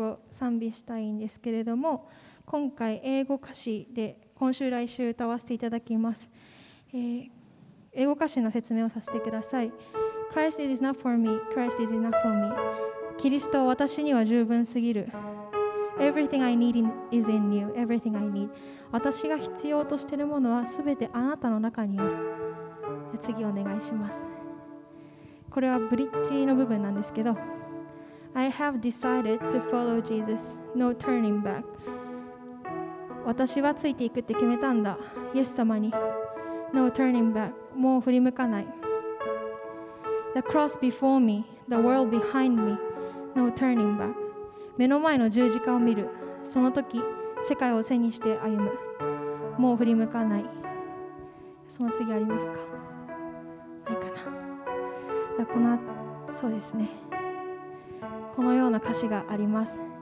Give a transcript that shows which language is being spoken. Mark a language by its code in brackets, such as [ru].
[ja] 賛美したいんですけれども、今回英語歌詞で今週来週歌わせていただきます。英語歌詞の説明をさせてください。 [en] Christ is enough for me, Christ is enough for me. [ja] キリストは私には十分すぎる。 [en] Everything I need is in you, everything I need. [ja] 私が必要としているものはすべてあなたの中にある。次お願いします。これはブリッジの部分なんですけど、 [en] I have decided to follow Jesus, no turning back. [ja] 私はついていくって決めたんだ、イエス様に。 [en] No turning back. [ja] もう振り向かない。 [en] The cross before me, the world behind me. No turning back. [ja] 目の前の十字架を見る。その時、世界を背にして歩む。もう振り向かない。その次ありますか？ないかな。だからこの、そうですね。このような歌詞があります。